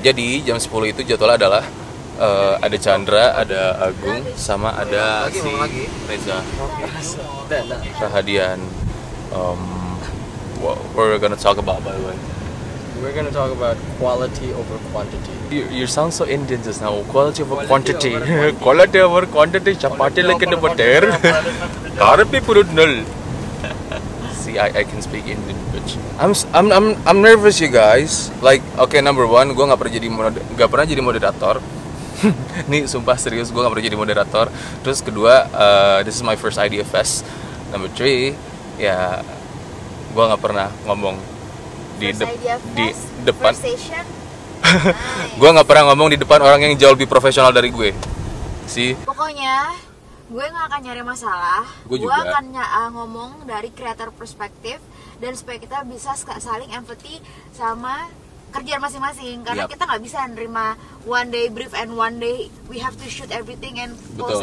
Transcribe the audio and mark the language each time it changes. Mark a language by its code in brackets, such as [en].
[id] Jadi jam 10 itu jadwalnya adalah ada Chandra, ada Agung, sama ada si Reza. Rahadian. [en] What are we gonna talk about, by the way? We're gonna talk about quality over quantity. You sound so Indian just now. Quality over quantity. Quality over quantity. Chapati like in the butter. Karpi purud null. See, I can speak Indian, bitch. I'm nervous, you guys. Like, okay, number one, [id] gua nggak pernah jadi moderator. Nih, sumpah serius, gua nggak pernah jadi moderator. Terus kedua, [en] this is my first Ideafest. Number three, [id] ya, gua nggak pernah ngomong di depan. [en] Nice. [id] Gue gak pernah ngomong di depan orang yang jauh lebih profesional dari gue. Pokoknya, gue gak akan nyari masalah. Gue akan ngomong dari creator perspektif, dan supaya kita bisa saling empathy sama kerjaan masing-masing. Karena yep, kita gak bisa nerima [en] one day brief and one day we have to shoot everything and post